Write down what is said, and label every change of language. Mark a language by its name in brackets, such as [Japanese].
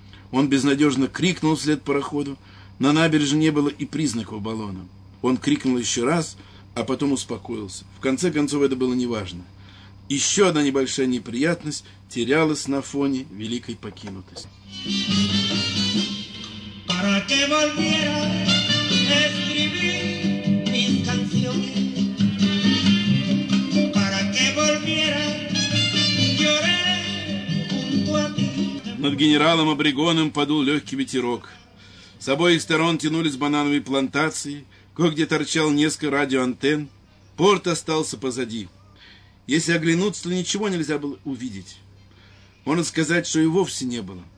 [Russian] Он безнадежно крикнул вслед пароходу. На набережной не было и признаков баллона. Он крикнул еще раз, а потом успокоился. В конце концов, это было неважно. Еще одна небольшая неприятность терялась на фоне великой покинутости. [Spanish] Para que volviera, escribí mis canciones. Para que volviera, lloré junto a ti. [Russian] Над генералом Обрегоном подул легкий ветерок. С обоих сторон тянулись банановые плантации. Кое-где торчал несколько радиоантенн. Порт остался позади. Если оглянуться, то ничего нельзя было увидеть. Можно сказать, что и вовсе не было.